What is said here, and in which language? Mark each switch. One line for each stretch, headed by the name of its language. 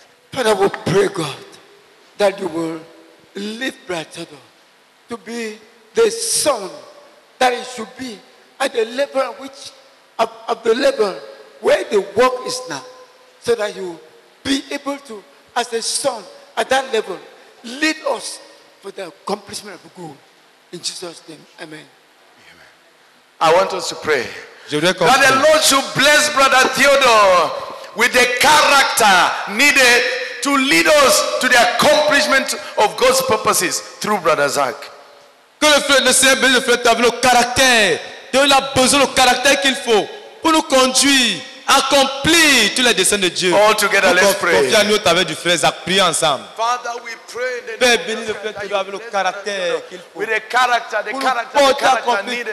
English: Father, we pray, God, that you will lead Brazak to be the son that he should be at the level which, of the level where the work is now, so that you be able to, as a son, at that level, lead us for the accomplishment of good. In Jesus' name, amen. Amen. I want us to pray.
French: Je voudrais
English: that the Lord should bless Brother Theodore with the character needed to lead us to the accomplishment of God's purposes through Brother Zach.
French: Que le Frère, le Seigneur bénisse le Frère Theodore, le caractère. Dieu a besoin du caractère qu'il faut pour nous conduire. Accompli tous les desseins de Dieu.
English: All together, let's pray.
French: Confie à nous ta vie du frère Zach. Prions ensemble.
English: Father, we pray.
French: Père, bénis le frère Théodore avec le caractère qu'il faut.
English: With the character, the character, the character needed.